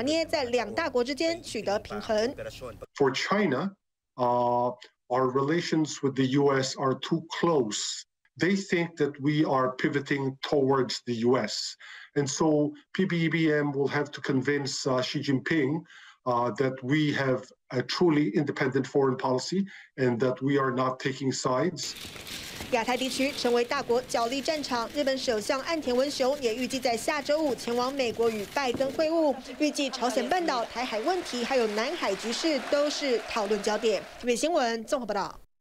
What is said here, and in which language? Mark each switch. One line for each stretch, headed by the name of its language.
Chinese: 不过小马可是也不愿走回前总统杜特地亲中援美的路线。相反的，他开始拿捏在两大国之间取得平衡。
English: For China, our relations with the U.S. are too close. They think that we are pivoting towards the U.S. And so PBBM will have to convince Xi Jinping that we have a truly independent foreign policy and that we are not taking sides.
Chinese: 亚太地区成为大国角力战场，日本首相岸田文雄也预计在下周五前往美国与拜登会晤。预计朝鲜半岛、台海问题还有南海局势都是讨论焦点。TVBS新闻综合报道。